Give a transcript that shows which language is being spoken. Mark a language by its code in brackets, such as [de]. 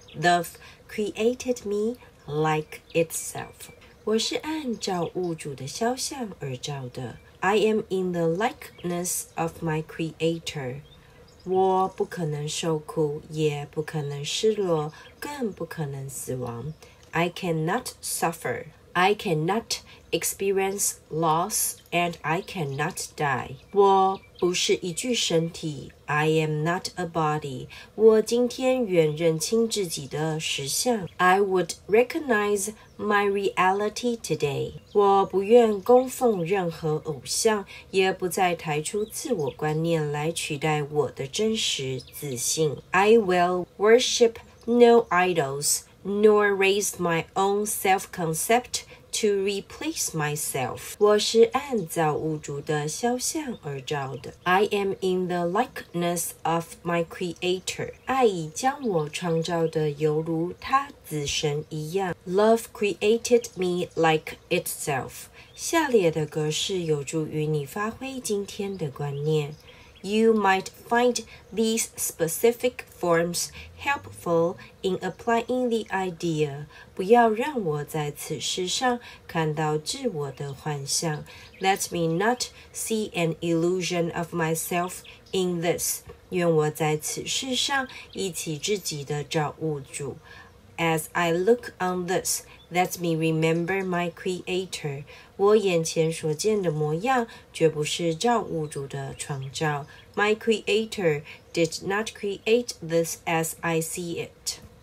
[en] Love created me like itself。 [zh] 我是按照物主的肖像而造的。 [en] I am in the likeness of my creator。 [zh] 我不可能受苦，也不可能失落，更不可能死亡。 [en] I cannot suffer。 I cannot experience loss and I cannot die。 [zh] 我不是一具身体。 [en] I am not a body。 [zh] 我今天愿认清自己的实相。 [en] I would recognize my reality today。 [zh] 我不愿供奉任何偶像，也不再抬出自我观念来取代我的真实自信。 [en] I will worship no idols nor raise my own self-conceptTo replace myself。 [zh] 我是按造物主的肖像而造的。 [en] I am in the likeness of my creator。 [zh] 爱已将我创造的犹如他自身一样。 [en] Love created me like itself。 [zh] 下列的格式有助于你发挥今天的观念。 [en] You might find these specific forms helpful in applying the idea。 [zh] 不要让我在此世上看到自我的幻象。 [en] Let me not see an illusion of myself in this。 [zh] 愿我在此世上忆起自己的造物主。 [en] As I look on this, let me remember my creator。 [zh] 我眼前所见的模样绝不是造物主的创造。 [en] My creator did not create this as I see it。